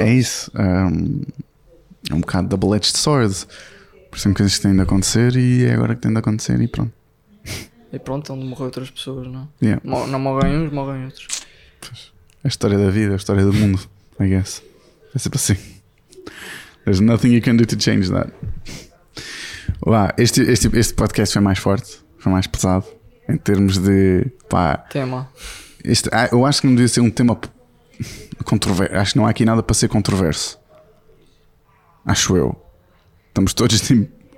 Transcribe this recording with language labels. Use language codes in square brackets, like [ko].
[pt] É isso. É um bocado [en] double-edged sword. [pt] Por exemplo, coisas que têm de acontecer e é agora que tem de acontecer e pronto. E pronto, onde morrem outras pessoas, não? [en] Yeah. [pt] Não morrem uns, morrem outros. Pois, é a história da vida, é a história do mundo, [en] I guess. [pt] É sempre assim. [en] There's nothing you can do to change that. [pt] Lá, este podcast foi mais forte, foi mais pesado, em termos de... Pá, tema. Este, eu acho que não devia ser um tema controverso. Acho que não há aqui nada para ser controverso. Acho eu. Estamos todos de...